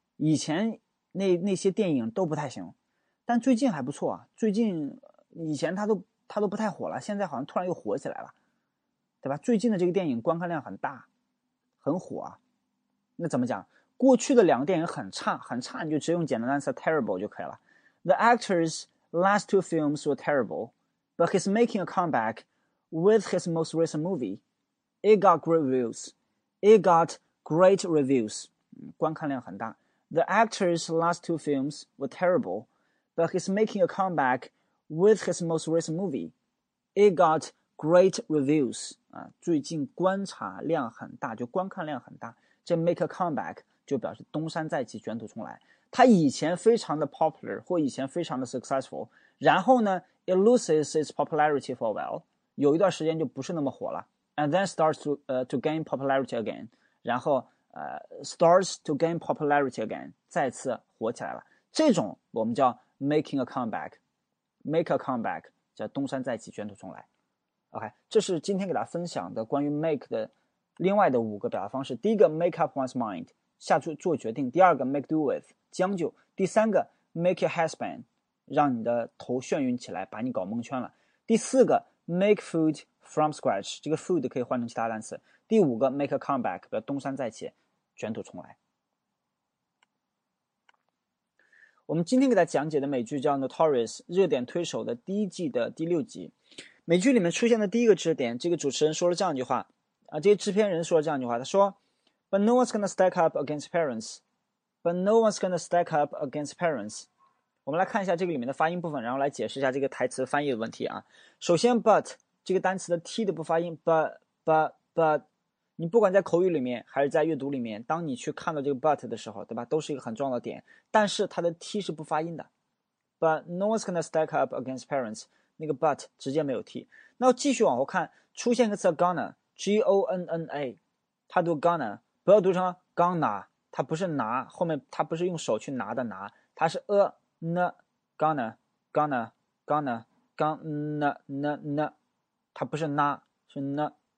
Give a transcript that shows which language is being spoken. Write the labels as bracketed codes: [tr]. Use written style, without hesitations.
[zh] 以前那些电影都不太行，但最近还不错啊。最近以前他都不太火了，现在好像突然又火起来了，对吧？最近的这个电影观看量很大，很火啊。那怎么讲？过去的两个电影很差很差，你就直接用简单单词 terrible 就可以了。 [en] The actor's last two films were terrible, but he's making a comeback with his most recent movie. It got great reviews. It got great reviews. [zh] 观看量很大。 [en] The actor's last two films were terrible, but he's making a comeback with his most recent movie. It got great reviews. [zh] 最近观察量很大，就观看量很大。这 make a comeback 就表示东山再起，卷土重来。它以前非常的 [en] popular 或以前非常的 successful，然后呢，it loses its popularity for a while， [zh] 有一段时间就不是那么火了， [en] and then starts to gain popularity again，然后starts to gain popularity again， [zh] 再次火起来了。这种我们叫 making a comeback，make a comeback 叫东山再起，卷土重来。 OK，这是今天给大家分享的关于 make 的另外的五个表达方式。第一个 make up one's mind。下注做决定。第二个，make do with 将就。第三个，make your head spin 让你的头眩晕起来，把你搞蒙圈了。第四个，make food from scratch 这个 food 可以换成其他单词。第五个，make a comeback 比如东山再起，卷土重来。我们今天给大家讲解的美剧叫《Notorious》热点推手的第一季的第六集。美剧里面出现的第一个知识点，这个主持人说了这样一句话啊，这个制片人说了这样一句话，他说。 [en] But no one's gonna stack up against parents. But no one's gonna stack up against parents. [zh] 我们来看一下这个里面的发音部分，然后来解释一下这个台词翻译的问题啊。首先，but 这个单词的 t 的不发音，but，你不管在口语里面还是在阅读里面，当你去看到这个 but 的时候，对吧，都是一个很重要的点。但是它的 t 是不发音的。 [en] But no one's gonna stack up against parents. [zh] 那个 but 直接没有 t。那继续往后看，出现一个词 gonna，G-O-N-N-A，它读 gonna。不要读成刚拿，它不是拿，后面它不是用手去拿的拿，它是呢，gonna gonna gonna gonna na na，它不是拿，是呢。